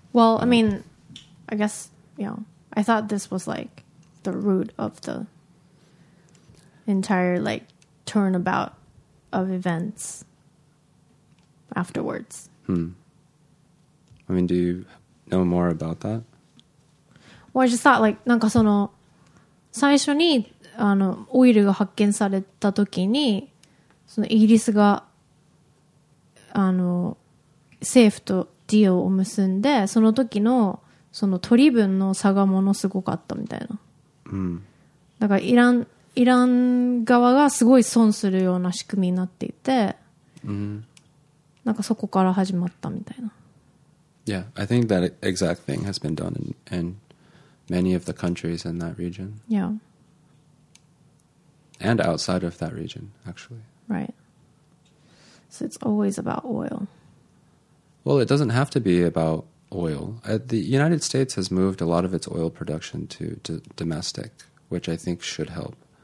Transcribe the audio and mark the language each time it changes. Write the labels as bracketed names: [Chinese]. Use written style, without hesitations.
[English] Well, I mean, I guess, you know, I thought this was like the root of the entire like turnabout of events afterwards. I mean, do you know more about that? Well, I just thought like, [Japanese] なんかその最初にあのオイルが発見された時にそのイギリスがあの政府とディオを結んでその時のその取り分の差がものすごかったみたいな、だからイラン側がすごい損するような仕組みになっていて、なんかそこから始まったみたいな。 [English] Yeah, I think that exact thing has been done in many of the countries in that region. Yeah. And outside of that region, actually. Right. So it's always about oil. Well, it doesn't have to be about oil. The United States has moved a lot of its oil production to domestic, which I think should help.